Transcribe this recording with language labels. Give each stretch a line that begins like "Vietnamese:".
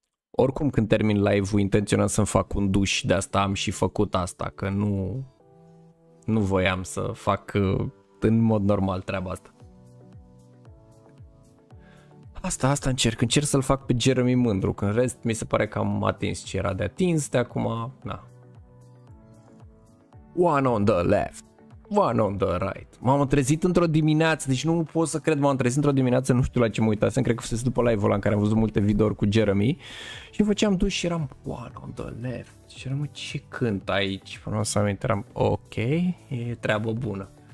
Romanian: Oricum când termin live-ul intenționat să-mi fac un duș, de asta am și făcut asta, că nu voiam să fac în mod normal treaba asta. Asta încerc să-l fac pe Jeremy mândru, că în rest mi se pare că am atins ce era de atins de acum, na.
English: One on the left, one on the right.
Romanian: M-am trezit într-o dimineață, deci nu pot să cred, m-am trezit într-o dimineață, nu știu la ce mă uitasem, cred că fusese după live-ul ăla în care am văzut multe video-uri cu Jeremy și făceam duș și eram
English: one on the left.
Romanian: Și eram, ce cânt aici? Până să aminte, eram ok, e treabă bună.